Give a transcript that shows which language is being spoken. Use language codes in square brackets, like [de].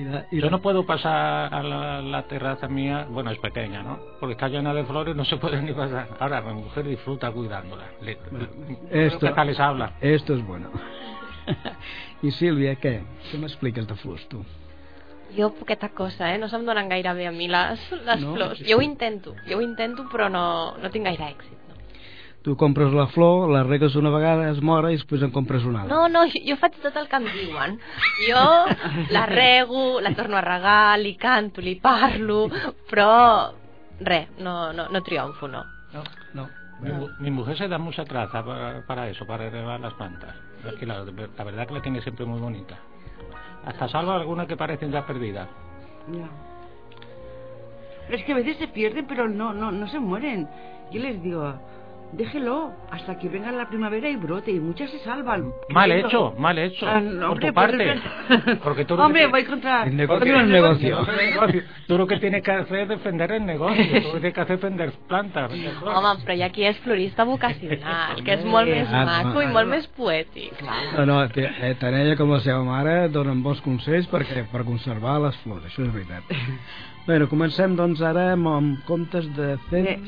[es] Yo no puedo pasar a la terraza mía, bueno, es pequeña, ¿no? Porque está llena de flores, no se puede ni pasar. Ahora, mi mujer disfruta cuidándola. ¿Qué tal les habla? Esto es bueno. ¿Y Silvia, qué? ¿Qué me expliques de flores tú? [ca] Jo poqueta cosa, no se'm donen gaire bé a mi les no, flors. Jo ho intento, però no tinc gaire èxit. No. Tu compres la flor, la regues una vegada, es mora i després en compres una altra. No, jo faig tot el que em diuen. Jo la rego, la torno a regar, li canto, li parlo, però res, no triomfo, no. No. [es] Mi mujer se da mucha traza para eso, para regar las plantas. Es que la verdad que la tiene siempre muy bonita. Hasta salvo algunas que parecen ya perdidas. Ya. Es que a veces se pierden, pero no se mueren. Yo les digo, déjelo hasta que venga la primavera y brote, y muchas se salvan. Mal hecho. Hombre, por tu parte. Porque tú hombre, voy contra el negocio. El negocio. Tú lo que tienes que hacer es defender el negocio. Tú lo que tienes que hacer es vender plantas. [ca] Home, [es] pero ya [ca] aquí es florista vocacional, que es molt més maco i molt més poètic. No, tant ella com la seva mare donen bons consells per conservar les flors, això és veritat. Bueno, comencem doncs ara amb contes de cent...